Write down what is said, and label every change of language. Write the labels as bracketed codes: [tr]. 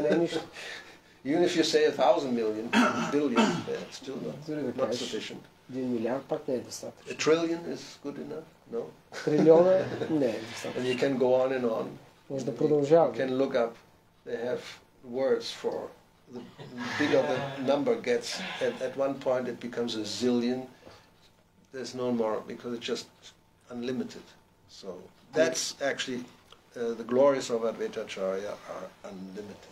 [bg] не е нищо. [en] Even if you say 1,000 million, billion, it's still not sufficient. [bg] 1 милиард пак не е достатъчно. [en] A trillion is good enough? No. [bg] Трилиона не е достатъчно. [en] And you can go on and on. [bg] Може да продължаваме. [en] You can look up, they have words for the bigger the number gets, at one point it becomes a zillion. There's no more because it's just unlimited. So that's actually the glories of Advaita Acharya are unlimited.